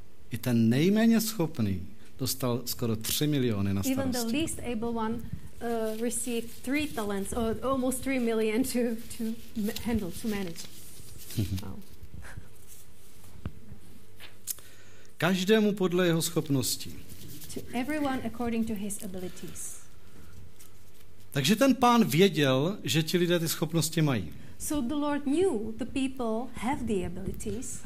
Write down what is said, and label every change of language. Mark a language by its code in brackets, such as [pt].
[cs] I ten nejméně schopný dostal skoro 3 miliony na starosti. [en] Even the least able one received 3 talents, or almost 3 million to handle, to manage. [cs] Každému podle jeho schopností. [en] To everyone according to his abilities. [cs] Takže ten pán věděl, že ti lidé ty schopnosti mají. [en] So the Lord knew the people have the abilities.